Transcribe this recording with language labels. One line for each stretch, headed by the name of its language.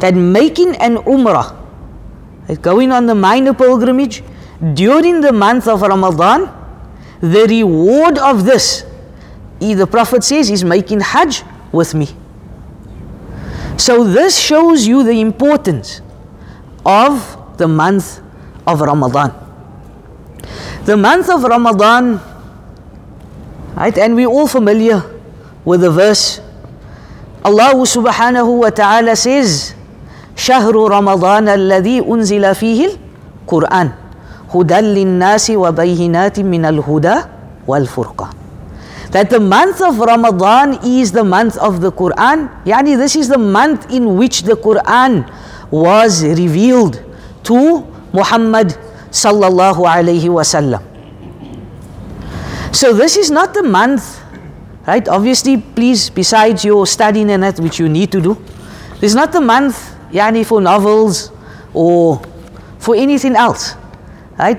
English: That making an umrah, going on the minor pilgrimage during the month of Ramadan, the reward of this, the Prophet says, is making hajj with me. So this shows you the importance of the month of Ramadan. The month of Ramadan, right, and we're all familiar with the verse.
Arabic: Allah subhanahu wa ta'ala
English: says,
Arabic: شهر رمضان الذي أنزل فيه القرآن هدى للناس وبينات من الهدى والفرقان.
English: That the month of Ramadan is the month of the Quran. Yani this is the month in which the Quran was revealed to Muhammad sallallahu alayhi wa sallam. So this is not the month, right? Obviously, please, besides your studying and that which you need to do, this is not the month, yani, for novels or for anything else, right?